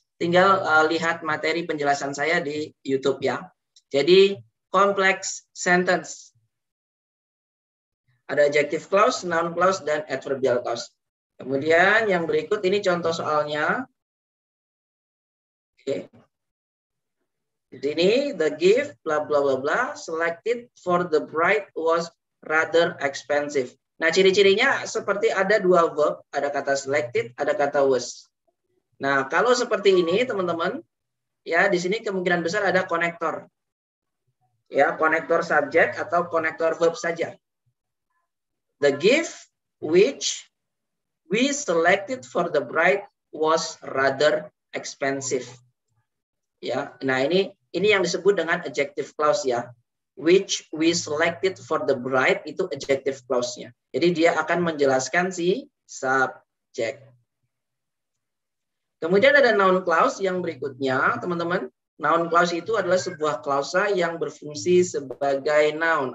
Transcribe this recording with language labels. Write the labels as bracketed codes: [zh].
[id] Tinggal lihat materi penjelasan saya di YouTube, ya. Jadi complex sentence ada adjective clause, noun clause, dan adverbial clause. Kemudian yang berikut ini contoh soalnya. Oke. Okay. [en] Ini the gift blah blah blah blah selected for the bride was rather expensive. [id] Nah, ciri-cirinya seperti ada dua verb, ada kata selected, ada kata was. Nah, kalau seperti ini teman-teman, ya di sini kemungkinan besar ada konektor. Ya, konektor subject atau konektor verb saja. [en] The gift which we selected for the bride was rather expensive. [id] Ya, nah ini yang disebut dengan adjective clause, ya. [en] Which we selected for the bride [id] itu [en] adjective clause-nya. [id] Jadi dia akan menjelaskan si subjek. Kemudian ada noun clause yang berikutnya, teman-teman. Noun clause itu adalah sebuah klausa yang berfungsi sebagai noun.